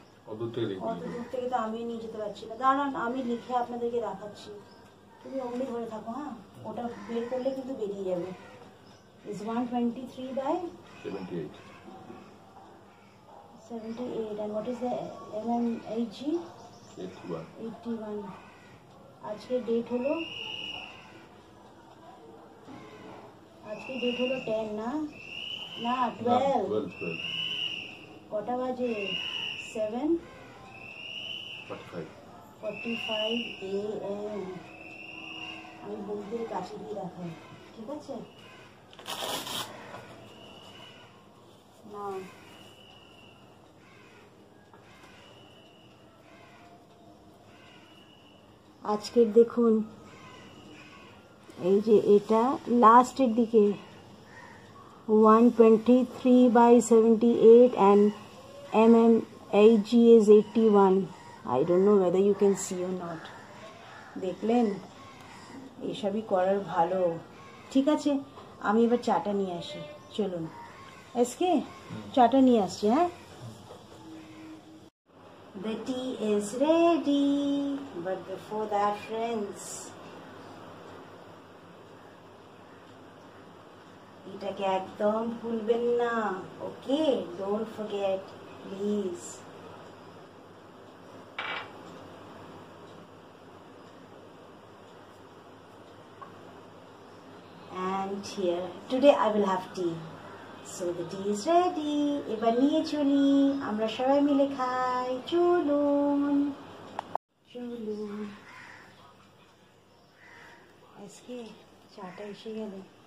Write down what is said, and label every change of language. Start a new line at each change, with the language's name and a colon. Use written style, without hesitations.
Bangla: অত দূর থেকে তো আমি নিয়ে যেতে পারছি না, দাঁড়ান আমি লিখে আপনাদেরকে দেখাচ্ছি, তুমি অমনি ধরে থাকো, হ্যাঁ ওটা বের করলে কিন্তু বেরিয়ে যাবে।
English: Is 123/78 78 and what is the mmHg? 81.
Bangla: আজকে ডেট হলো, আজকে ডেট হলো 10 না, না 12. কটা বাজে? 7:45 AM. আমি বন্ধুদের কাছে দিয়ে দেখাই, ঠিক আছে না? আজকের দেখুন এই যে এটা লাস্টের দিকে 123/78
English: and MMHG is 81. I don't know whether you can see or not.
Bangla: দেখলেন এসবই করার ভালো, ঠিক আছে আমি এবার চাটা নিয়ে আসি, চলুন এসকে চাটা নিয়ে আসছি। হ্যাঁ
English: the tea is ready, but before that friends
Bangla: এটাকে একদম ভুলবেন না,
English: Okay don't forget please. And here today I will have tea, so the tea is ready.
Bangla: এবার নিয়ে চলি আমরা সবাই মিলে খাই, চলুন চলুন। আজকে চাটা এসে গেলে